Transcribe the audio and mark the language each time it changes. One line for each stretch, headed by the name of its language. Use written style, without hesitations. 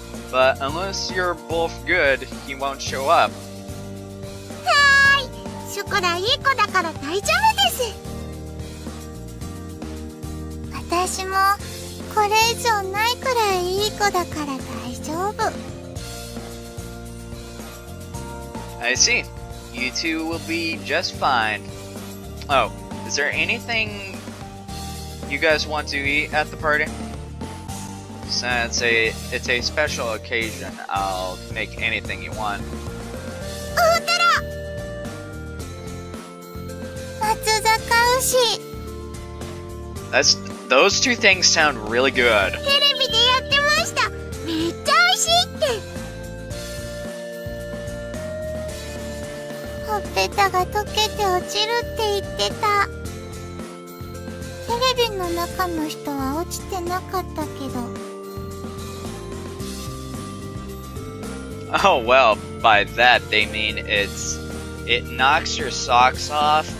English: But unless you're both good, he won't show up.
Japanese: ショコラいい子だから大丈夫です。私もこれ以上ないくらいいい子だから大丈夫。
English: I see. You two will be just fine. Oh, is there anything you guys want to eat at the party? Since it's a special occasion, I'll make anything you want.
Japanese: おーたら松坂牛。
English: That's those two things sound really good.
Japanese: テレビでやってました。めっちゃ美味しいって。ほっぺたが溶けて落ちるって言ってた。テレビの中の人は落ちてなかったけど。
English: Oh well, by that they mean it knocks your socks off.